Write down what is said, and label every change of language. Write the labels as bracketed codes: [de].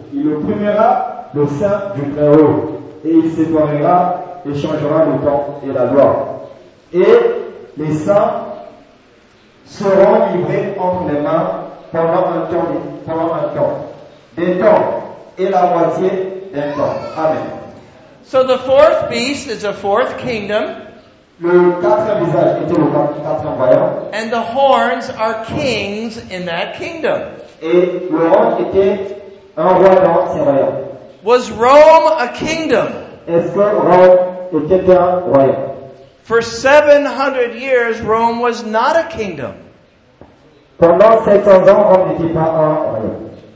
[fr] Il opprimera le sein du Très-Haut, et il séparera et changera le temps et la gloire. Et les saints seront livrés entre les mains pendant un temps, des temps, et la moitié d'un temps. Amen. [en] So the fourth beast is a fourth kingdom. [fr] Le quatrième visage était le quatrième royaume. [en] And the horns are kings in that kingdom. [fr] Et le roi était un roi dans ses royaumes. [en] Was Rome a kingdom? [fr] Est-ce que Rome était un royaume? [en] For 700 years, Rome was not a kingdom. [fr] Pendant 700 ans, Rome n'était pas un royaume.